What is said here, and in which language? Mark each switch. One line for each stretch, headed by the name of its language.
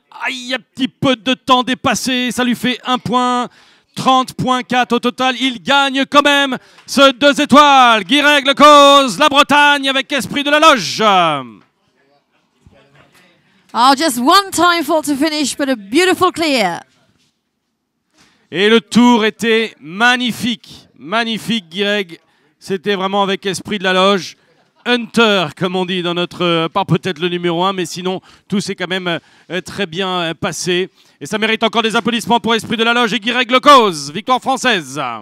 French: Aïe, un petit peu de temps dépassé. Ça lui fait un point. 30.4 au total. Il gagne quand même ce 2 étoiles. Guirec Lecoz, la Bretagne avec Esprit de la Loge.
English: Oh, just one time for to finish, but a beautiful clear.
French: Et le tour était magnifique. Magnifique, Guirec. C'était vraiment avec Esprit de la Loge. Hunter, comme on dit dans notre... Pas peut-être le numéro 1, mais sinon, tout s'est quand même très bien passé. Et ça mérite encore des applaudissements pour Esprit de la Loge et Guirec Lecoz. Victoire française.